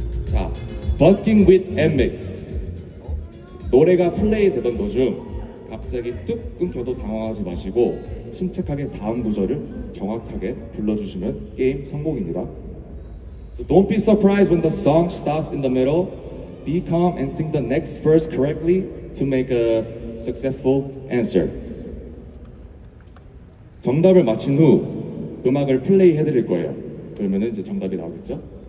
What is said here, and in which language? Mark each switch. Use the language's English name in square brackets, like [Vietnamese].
[English] 자, Busking with NIMXX. [Korean] 노래가 플레이 되던 도중 갑자기 뚝 끊겨도 당황하지 마시고 침착하게 다음 구절을 정확하게 불러주시면 게임 성공입니다. [English] Don't be surprised when the song stops in the middle. Be calm and sing the next verse correctly to make a successful answer. [Korean] 정답을 맞힌 후 음악을 플레이 해드릴 거예요. 그러면 이제 정답이 나오겠죠?